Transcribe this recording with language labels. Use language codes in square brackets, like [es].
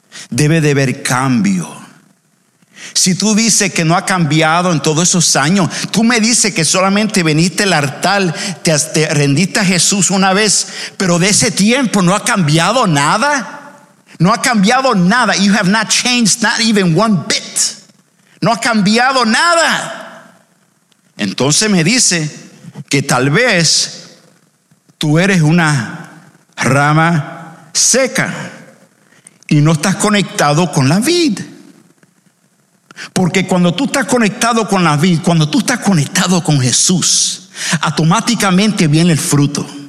[es] Debe de ver cambio. Si tú dices que no ha cambiado en todos esos años, tú me dices que solamente viniste al altar, te rendiste a Jesús una vez, pero de ese tiempo no ha cambiado nada. No ha cambiado nada. [en] You have not changed, not even one bit. [es] No ha cambiado nada. Entonces me dice que tal vez tú eres una rama seca y no estás conectado con la vid. Porque cuando tú estás conectado con la vid, cuando tú estás conectado con Jesús, automáticamente viene el fruto.